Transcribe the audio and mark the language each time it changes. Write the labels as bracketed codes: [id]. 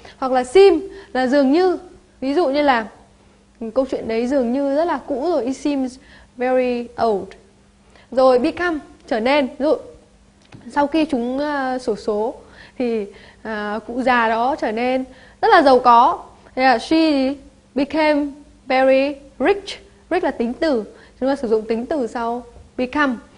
[vi] Hoặc là seem là dường như, ví dụ như là câu chuyện đấy dường như rất là cũ rồi, [en] it seems very old. [vi] Rồi become, trở nên, ví dụ sau khi chúng xổ số thì cụ già đó trở nên rất là giàu có. [en] Yeah, she became very rich. [vi] Rich là tính từ, chúng ta sử dụng tính từ sau become.